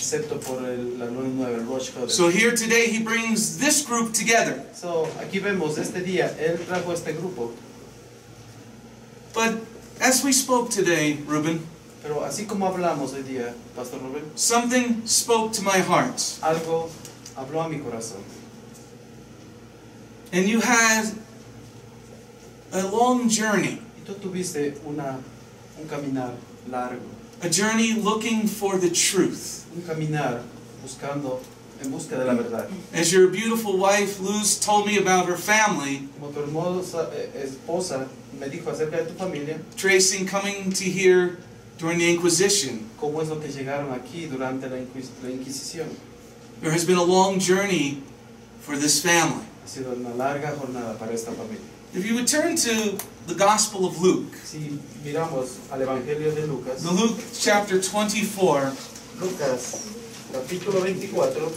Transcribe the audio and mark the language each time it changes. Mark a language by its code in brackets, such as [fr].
[es] Excepto por la luna nueva, el Rosh Kodesh. [en] So here today he brings this group together. [es] So aquí vemos este día, él trajo este grupo. [en] But as we spoke today, Ruben, [es] pero así como hablamos hoy día, Pastor Ruben, [en] something spoke to my heart. [es] Algo habló a mi corazón. [en] And you had a long journey. [es] Y tú tuviste una, un caminar largo. [en] A journey looking for the truth. [es] Un caminar buscando, en busca de la verdad. [en] As your beautiful wife Luz told me about her family, [es] como tu hermosa esposa me dijo acerca de tu familia, [en] tracing coming to here during the Inquisition. [es] Como es lo que llegaron aquí durante la Inquisición. [en] There has been a long journey for this family. [es] Ha sido una larga jornada para esta familia. [en] If you would turn to the Gospel of Luke, [es] si miramos al Evangelio de Lucas, [en] the Luke chapter 24, [es] Lucas, capítulo 24,